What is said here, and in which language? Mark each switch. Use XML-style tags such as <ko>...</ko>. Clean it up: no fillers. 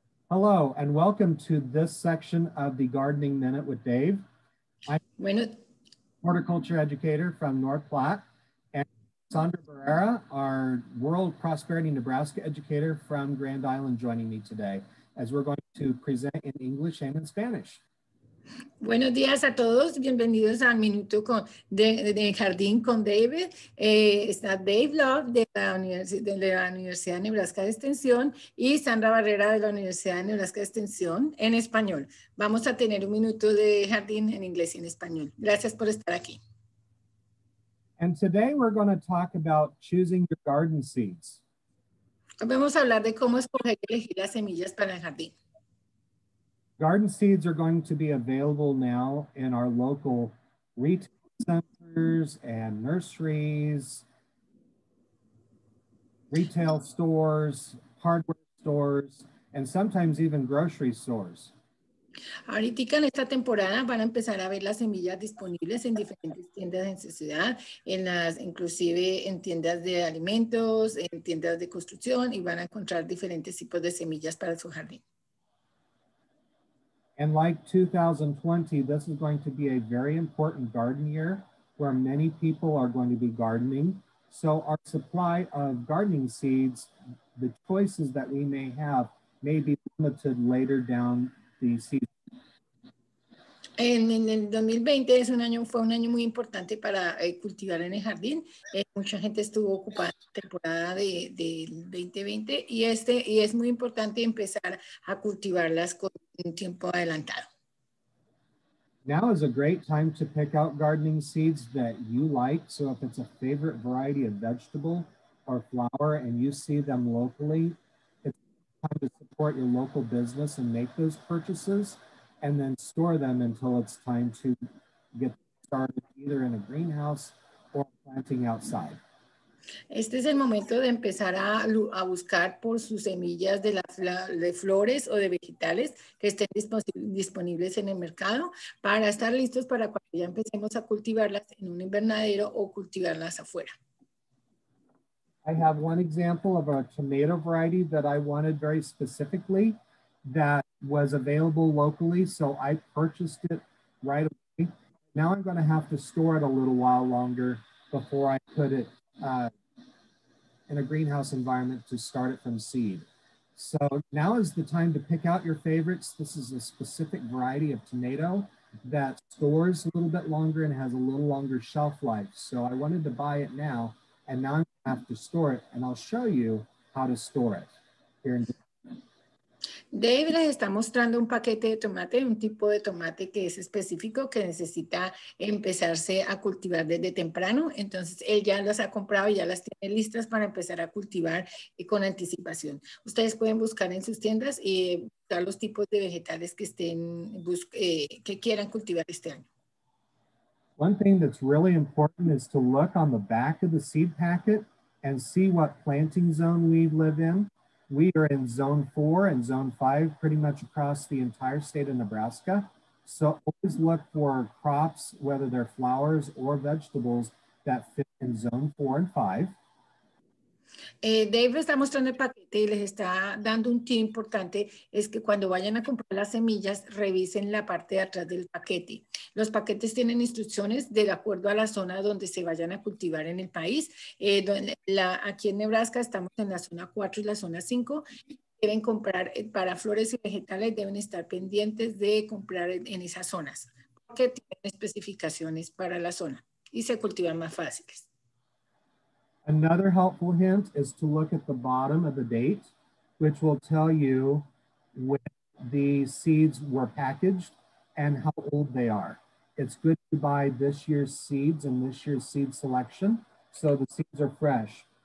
<en>Hello, and welcome to this section of the Gardening Minute with Dave. I'm a horticulture educator from North Platte, and Sandra Barrera, our World Prosperity Nebraska educator from Grand Island, joining me today as we're going to present in English and in Spanish.</en> <es>Buenos días a todos. Bienvenidos al minuto con de jardín con David. Está Dave Love de la Universidad de Nebraska de Extensión y Sandra Barrera de la Universidad de Nebraska de Extensión en español. Vamos a tener un minuto de jardín en inglés y en español. Gracias por estar aquí.</es> <en>And today we're going to talk about choosing your garden seeds.</en> <es>Vamos a hablar de cómo escoger y elegir las semillas para el jardín.</es> <en>Garden seeds are going to be available now in our local retail centers and nurseries, retail stores, hardware stores, and sometimes even grocery stores.</en> <es>Ahorita en esta temporada van a empezar a ver las semillas disponibles en diferentes tiendas en su ciudad, inclusive en tiendas de alimentos, en tiendas de construcción, y van a encontrar diferentes tipos de semillas para su jardín.</es> <en>And like 2020, this is going to be a very important garden year where many people are going to be gardening. So our supply of gardening seeds, the choices that we may have, may be limited later down the season.</en> <es>En el 2020 fue un año muy importante para cultivar en el jardín. Mucha gente estuvo ocupada en la temporada del 2020 y es muy importante empezar a cultivarlas con un tiempo adelantado.</es> <en>Now is a great time to pick out gardening seeds that you like. So if it's a favorite variety of vegetable or flower and you see them locally, it's time to support your local business and make those purchases. And then store them until it's time to get started either in a greenhouse or planting outside. Este es el momento de empezar a buscar por sus semillas de flores o de vegetales que estén disponibles en el mercado para estar listos para cuando ya empecemos a cultivarlas en un invernadero o cultivarlas afuera. I have one example of a tomato variety that I wanted very specifically that was available locally, so I purchased it right away. Now I'm going to have to store it a little while longer before I put it in a greenhouse environment to start it from seed. So now is the time to pick out your favorites. This is a specific variety of tomato that stores a little bit longer and has a little longer shelf life. So I wanted to buy it now, and now I have to store it, and I'll show you how to store it here in</en> <es>Dave les está mostrando un paquete de tomate, un tipo de tomate que es específico que necesita empezarse a cultivar desde temprano. Entonces, él ya las ha comprado y ya las tiene listas para empezar a cultivar con anticipación. Ustedes pueden buscar en sus tiendas y buscar los tipos de vegetales que estén que quieran cultivar este año.</es> <en>One thing that's really important is to look on the back of the seed packet and see what planting zone we live in. We are in zone 4 and zone 5 pretty much across the entire state of Nebraska. So always look for crops, whether they're flowers or vegetables, that fit in zone 4 and 5.</en> <es>Dave está mostrando el paquete y les está dando un tip importante, es que cuando vayan a comprar las semillas, revisen la parte de atrás del paquete. Los paquetes tienen instrucciones de acuerdo a la zona donde se vayan a cultivar en el país. Aquí en Nebraska estamos en la zona 4 y la zona 5. Deben comprar para flores y vegetales, deben estar pendientes de comprar en esas zonas, porque tienen especificaciones para la zona y se cultivan más fáciles.</es> <en>Another helpful hint is to look at the bottom of the date, which will tell you when the seeds were packaged and how old they are. It's good to buy this year's seeds and this year's seed selection, so the seeds are fresh.</en>